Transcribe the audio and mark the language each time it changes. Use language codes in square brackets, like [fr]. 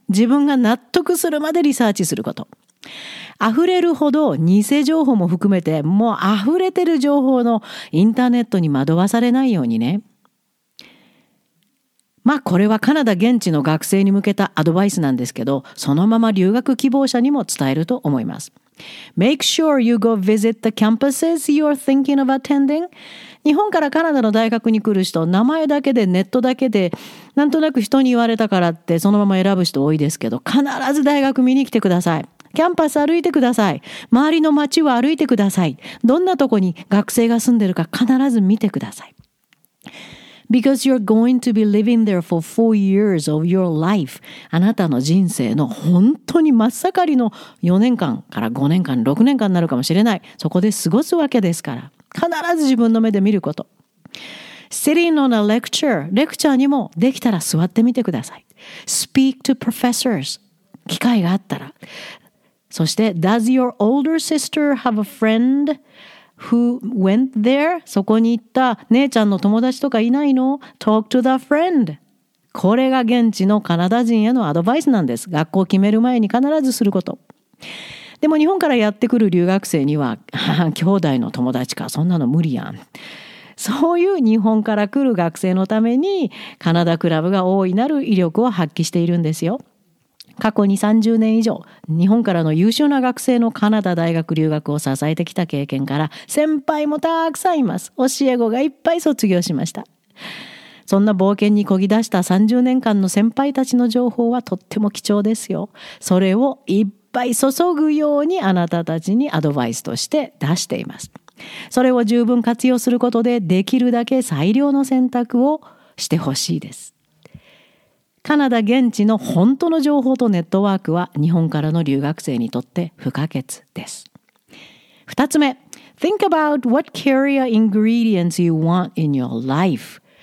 [ja] 自分が納得するまでリサーチすること。あふれるほど偽情報も含めて、もうあふれてる情報のインターネットに惑わされないようにね。まあこれはカナダ現地の学生に向けたアドバイスなんですけど、そのまま留学希望者にも伝えると思います。 [en] Make sure you go visit the campuses you're thinking of attending。 [ja] 日本からカナダの大学に来る人、名前だけでネットだけでなんとなく人に言われたからってそのまま選ぶ人多いですけど、必ず大学見に来てください。キャンパス歩いてください。周りの街を歩いてください。どんなとこに学生が住んでるか必ず見てください。 [en] Because you're going to be living there for 4 years of your life. [ja] あなたの人生の本当に真っ盛りの4年間から5年間、6年間になるかもしれない。そこで過ごすわけですから。必ず自分の目で見ること。 [en] Sitting on a lecture. [ja] レクチャーにもできたら座ってみてください。 [en] Speak to professors. [ja] 機会があったら。 [en] そして、Does your older sister have a friend? Who went there? [ja] そこに行った姉ちゃんの友達とかいないの? [en] Talk to the friend. [ja] これが現地のカナダ人へのアドバイスなんです。学校決める前に必ずすること。でも日本からやってくる留学生には、兄弟の友達か、そんなの無理やん。そういう日本から来る学生のためにカナダクラブが大いなる威力を発揮しているんですよ。過去に30年以上日本からの優秀な学生のカナダ大学留学を支えてきた経験から、先輩もたくさんいます。教え子がいっぱい卒業しました。そんな冒険にこぎ出した30年間の先輩たちの情報はとっても貴重ですよ。それをいっぱい注ぐようにあなたたちにアドバイスとして出しています。それを十分活用することで、できるだけ最良の選択をしてほしいです。カナダ現地の本当の情報とネットワークは日本からの留学生にとって不可欠です。 [en] 二つ目、Think about what career ingredients you want in your life.